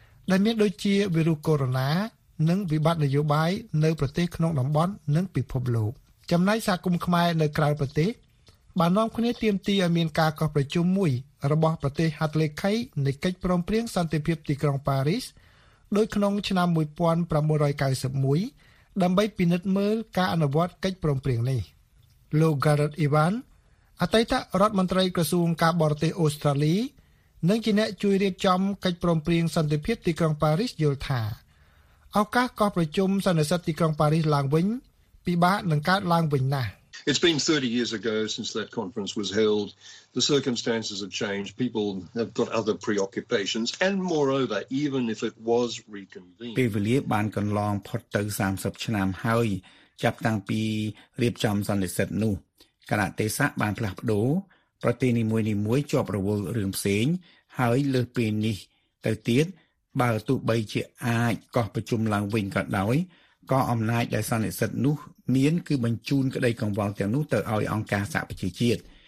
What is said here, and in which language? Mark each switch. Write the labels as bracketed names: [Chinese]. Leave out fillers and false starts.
[Khmer] ដែលមានដូចជាវីរុសកូវីដ-និងវិបត្តិនយោបាយនៅប្រទេសក្នុងតំបន់និងពិភពលោកចំណែកសហគមន៍ខ្មែរនៅក្រៅប្រទេសបាននាំគ្នាទាមទារឲ្យមានការកោះប្រជុំមួយរបស់ប្រទេសហត្ថលេខីនៃកិច្ចព្រមព្រៀងសន្តិភាពទីក្រុងប៉ារីសដូចក្នុងឆ្នាំ1991ដើម្បីពិនិត្យមើលការអនុវត្តកិច្ចព្រមព្រៀងនេះ លោក Garrett Ivan អតីតរដ្ឋមន្ត្រីក្រសួងការបរទេសអូស្ត្រាលីនិងជាអ្នកជួយរៀបចំកិច្ចព្រមព្រៀងសន្តិភាពទីក្រុងប៉ារីសយល់ថាឱកាសកោះប្រជុំសន្និសីទទីក្រុងប៉ារីសឡើងវិញពិបាកនឹងកើតឡើងវិញណាស់ [English] It's been 30 years ago since that conference was held. The circumstances have changed. People have got other preoccupations and moreover even if it was reconvened [Khmer] ពេលវេលាបានកន្លងផុតទៅ30ឆ្នាំហើយចាប់តាំងពីរៀបចំសន្និសីទនោះគណៈទេសាបានផ្លាស់ប្ដូរប្រទេសនីមួយនីមួយជាប់រវល់រឿងផ្សេងហើយលើសពីនេះទៅទៀតបើទោះបីជាអាចកោះប្រជុំឡើងវិញក៏ដោយក៏អំណាចដែលសន្និសីទនោះមានគឺបញ្ជូនក្តីកង្វល់ទាំងនោះទៅឲ្យអង្គការសហប្រជាជាតិ